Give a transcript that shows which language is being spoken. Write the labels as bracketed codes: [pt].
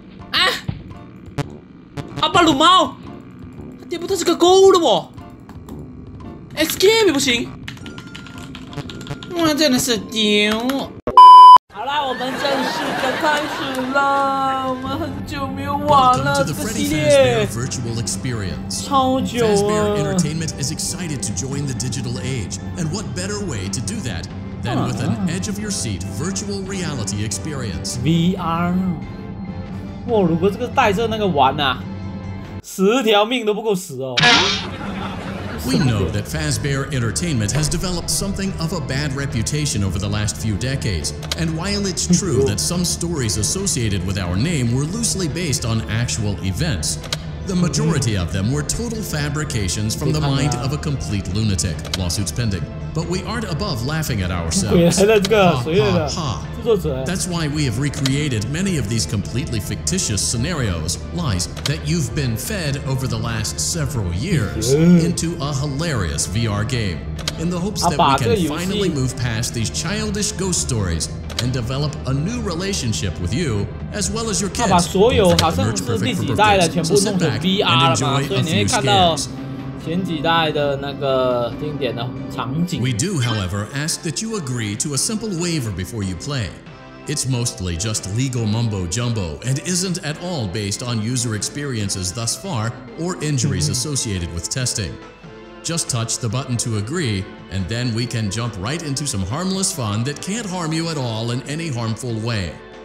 [zh] 啊，阿巴鲁猫，点不到这个勾了哦。 Escape 不行，哇，真的是丢。好了，我们正式的开始啦，我们很久没有玩了这个系列。 [en] Virtual Experience. [zh] 超久了。 [en] Fazbear Entertainment is excited to join the digital age, and what better way to do that? Then with an edge of your seat virtual reality experience. VR. [zh] 哇，如果这个带着那个玩啊，十条命都不够死哦。 [en] We know that Fazbear Entertainment has developed something of a bad reputation over the last few decades. And while it's true that some stories associated with our name were loosely based on actual events, the majority of them were total fabrications from the mind of a complete lunatic. Lawsuits pending. But we aren't above laughing at ourselves. That's why we have recreated many of these completely fictitious scenarios, lies that you've been fed over the last several years, into a hilarious VR game. In the hopes that we can finally move past these childish ghost stories and develop a new relationship with you, as well as your kids. He's got all the merch perfect for birthdays. So sit back and enjoy a few scares. [zh] 前几代的那个经典的场景。 [en] We do, however, ask that you agree to a simple waiver before you play. It's mostly just legal mumbo jumbo and isn't at all based on user experiences thus far or injuries associated with testing. Just touch the button to agree, and then we can jump right into some harmless fun that can't harm you at all in any harmful way.